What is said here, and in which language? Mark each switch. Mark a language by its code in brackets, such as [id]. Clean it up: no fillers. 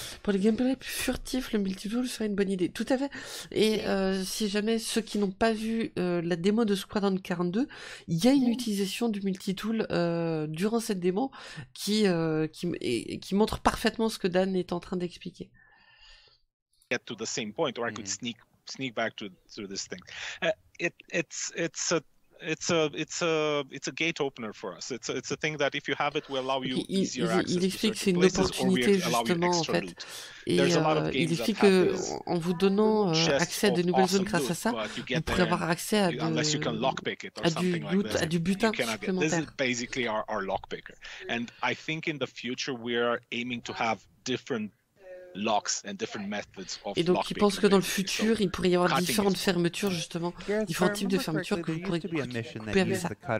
[fr] Pour les gameplays plus furtifs, le multitool serait une bonne idée. Tout à fait. Et si jamais ceux qui n'ont pas vu la démo de Squadron 42, il y a une utilisation du multitool durant cette démo qui montre parfaitement ce que Dan est en train d'expliquer. [en] Get to the same point, or I could sneak back to this thing. It's a gate opener for us. It's a thing that if you have it, will allow you easier access. [fr] Il explique c'est une opportunité justement en fait. Et il explique que en vous donnant accès à de nouvelles zones grâce à ça, vous pourrez avoir accès à du loot, à du butin supplémentaire. [en] This is basically our lockpicker, and I think in the future we are aiming to have different locks and different methods of locking. [fr] Et donc, ils pensent que dans le futur, il pourrait y avoir différentes fermetures, justement, différents types de fermetures que vous pourrez couper avec ça.